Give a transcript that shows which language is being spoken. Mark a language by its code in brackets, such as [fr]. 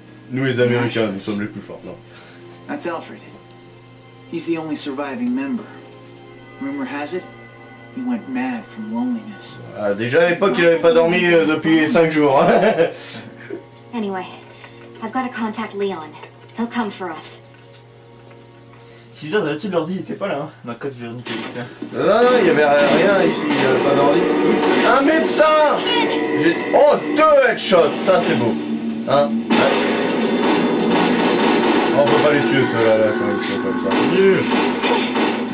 [fr] Nous les Américains, nous sommes les plus forts, non. [en] That's Alfred. He's the only surviving member. Rumor has it. He went mad from loneliness. [fr] Ah, déjà à l'époque, il avait pas dormi depuis 5 jours. [en] Anyway, I've got to contact Leon. He'll come for us. [fr] C'est bizarre, d'habitude l'ordi était pas là, hein. Dans le code Véronique Alexa. Non, il y avait rien ici, il y avait pas d'ordi. Un médecin. Oh, 2 headshots, ça c'est beau. Hein. Oh, on peut pas les tuer ceux-là, là, quand ils sont comme ça.